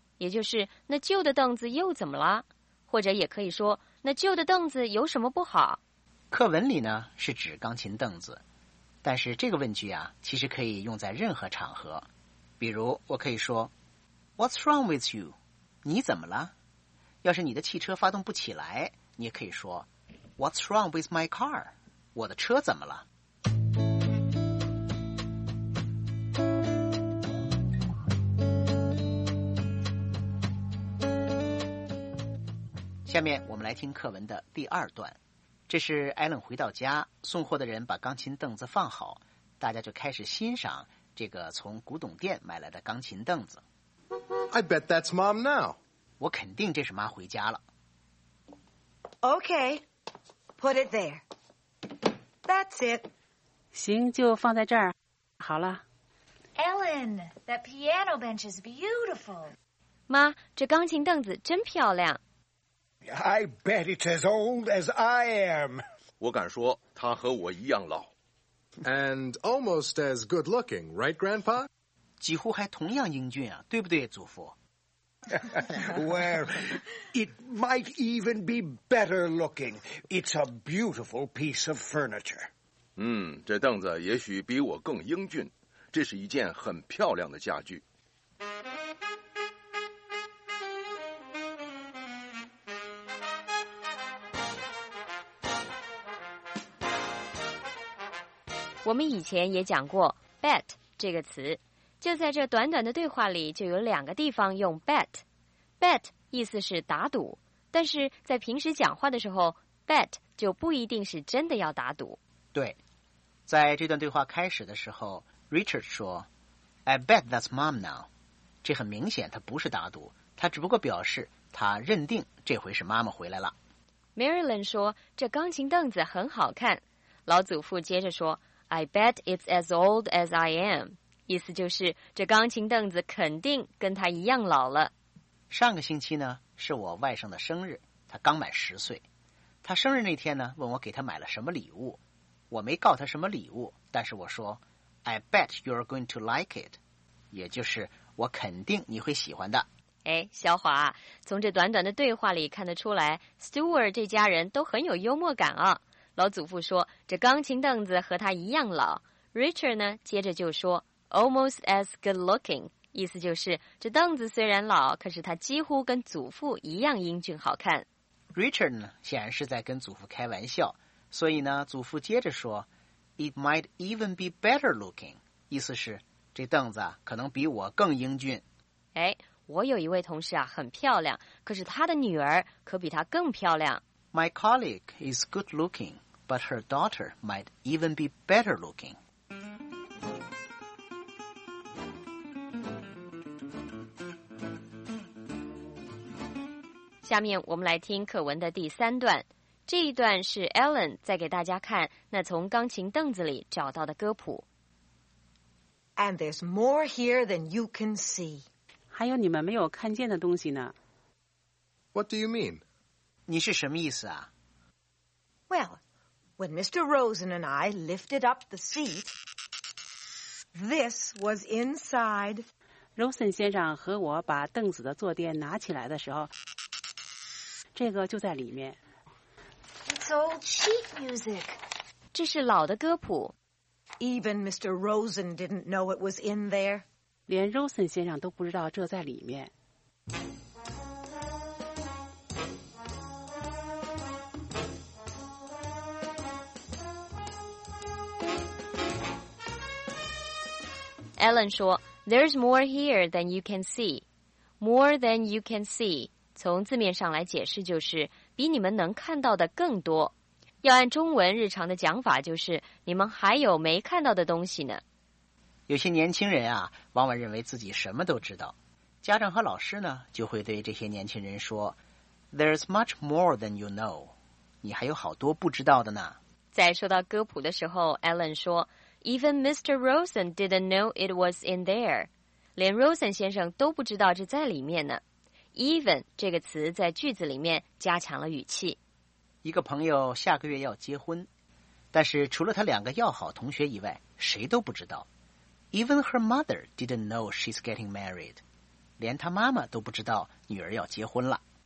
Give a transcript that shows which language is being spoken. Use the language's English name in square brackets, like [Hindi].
[Chinese] 也就是那旧的凳子又怎么了，或者也可以说那旧的凳子有什么不好。课文里呢是指钢琴凳子，但是这个问句啊，其实可以用在任何场合。比如我可以说 [English] What's wrong with you? [Chinese] 你怎么了？要是你的汽车发动不起来，你也可以说 [English] What's wrong with my car? [Chinese] 我的车怎么了？下面我们来听课文的第二段。这是艾伦回到家，送货的人把钢琴凳子放好，大家就开始欣赏这个从古董店买来的钢琴凳子。 [English] I bet that's mom now. [Chinese] 我肯定这是妈回家了。 [English] Okay, put it there. That's it. [Chinese] 行，就放在这儿。好了。 [English] Ellen, that piano bench is beautiful. [Chinese] 妈，这钢琴凳子真漂亮。 [English] I bet it's as old as I am. [Chinese] 我敢说他和我一样老。 [English] And almost as good looking, right, Grandpa? [Chinese] 几乎还同样英俊啊，对不对，祖父？ [English] Well, it might even be better looking. It's a beautiful piece of furniture. [Chinese] 这凳子也许比我更英俊，这是一件很漂亮的家具。我们以前也讲过 bet 这个词，就在这短短的对话里，就有两个地方用 bet。 bet 意思是打赌，但是在平时讲话的时候 ，bet 就不一定是真的要打赌。对，在这段对话开始的时候 ，Richard 说 ， [English] I bet that's mom now。 [Chinese] 这很明显，他不是打赌，他只不过表示他认定这回是妈妈回来了。 Marilyn 说，这钢琴凳子很好看。老祖父接着说 ， [English] I bet it's as old as I am。 [Chinese] 意思就是这钢琴凳子肯定跟他一样老了。上个星期呢，是我外甥的生日，他刚满十岁。他生日那天呢，问我给他买了什么礼物。我没告他什么礼物，但是我说 [English] I bet you're going to like it， [Chinese] 也就是我肯定你会喜欢的。哎，小华，从这短短的对话里看得出来， Stewart 这家人都很有幽默感啊。老祖父说这钢琴凳子和他一样老， Richard 呢接着就说 [English] Almost as good looking， [Chinese] 意思就是这凳子虽然老，可是他几乎跟祖父一样英俊好看。 Richard 呢，显然是在跟祖父开玩笑，所以呢，祖父接着说 ， [English] It might even be better looking， [Chinese] 意思是这凳子可能比我更英俊。哎，我有一位同事啊，很漂亮，可是她的女儿可比她更漂亮。 [English] My colleague is good looking， but her daughter might even be better looking。 [Chinese] 下面我们来听课文的第三段，这一段是 Ellen 在给大家看那从钢琴凳子里找到的歌谱。 [English] And there's more here than you can see. [Chinese] 还有你们没有看见的东西呢。 [English] What do you mean? [Chinese] 你是什么意思啊？ [English] Well, when Mr. Rosen and I lifted up the seat, this was inside. [Chinese] Rosen 先生和我把凳子的坐垫拿起来的时候，这个就在里面。 [English] It's old sheet music. [Chinese] 这是老的歌谱。 [English] Even Mr. Rosen didn't know it was in there. [Chinese] 连 Rosen 先生都不知道这在里面。 [English] Ellen [Chinese] 说 [English] ,There's more here than you can see. More than you can see. [Chinese] 从字面上来解释，就是比你们能看到的更多。要按中文日常的讲法，就是你们还有没看到的东西呢。有些年轻人啊，往往认为自己什么都知道，家长和老师呢，就会对这些年轻人说 [English] There's much more than you know， [Chinese] 你还有好多不知道的呢。在说到歌谱的时候， Ellen 说 [English] Even Mr. Rosen didn't know it was in there， [Chinese] 连 Rosen 先生都不知道这在里面呢。 Even 这个词在句子里面加强了语气。一个朋友下个月要结婚，但是除了他两个要好同学以外，谁都不知道。 [English] Even her mother didn't know she's getting married， [Chinese] 连他妈妈都不知道女儿要结婚了。